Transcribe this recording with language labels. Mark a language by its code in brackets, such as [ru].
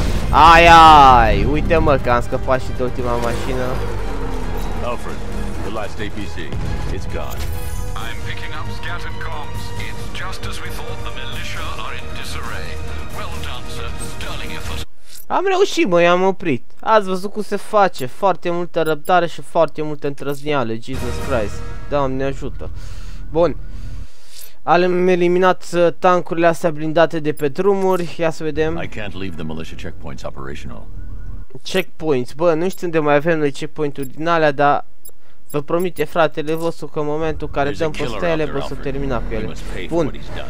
[ro] Ai, ai, uite mă că am scăpat și de ultima mașină. [en] Alfred, the last APC, it's gone. I'm picking up scattered comms. It's just as we thought, the militia are in disarray. Well done, sir. Sterling effort. [ro] Am reușit, mă, i-am oprit. Ați văzut cum se face. Foarte multă răbdare și foarte multă întrăzneală. [en] Jesus Christ. [ro] Doamne ajută. Bun. Am eliminat tankurile astea blindate de pe drumuri. Ia să vedem. [en] I can't leave the militia checkpoints operational. Checkpoints. [ro] Bă, nu știu unde mai avem noi checkpoint-uri din alea, dar vă promite fratele vostru că în momentul care dăm postele, vă să termina cu ele. Bun.